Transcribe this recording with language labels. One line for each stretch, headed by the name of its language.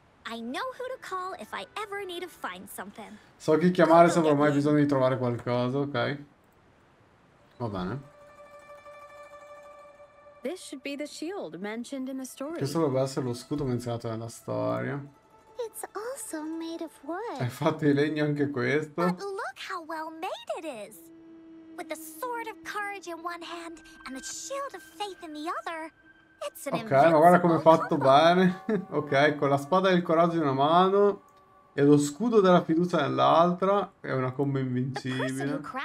English: I know who to call if I ever need to find something.
Italian: So chi chiamare se avrò mai bisogno di trovare qualcosa, ok? Va bene.
English: This should be the shield mentioned in the story.
Italian: Questo dovrebbe essere lo scudo menzionato nella storia.
English: It's also made of wood.
Italian: È fatto di legno anche questo.
English: But look how well made it is. With the sword of courage in one hand and the shield of faith in the other.
Italian: Ok, ma guarda come è fatto bene. Ok, con la spada del coraggio in una mano e lo scudo della fiducia nell'altra, è una combo invincibile.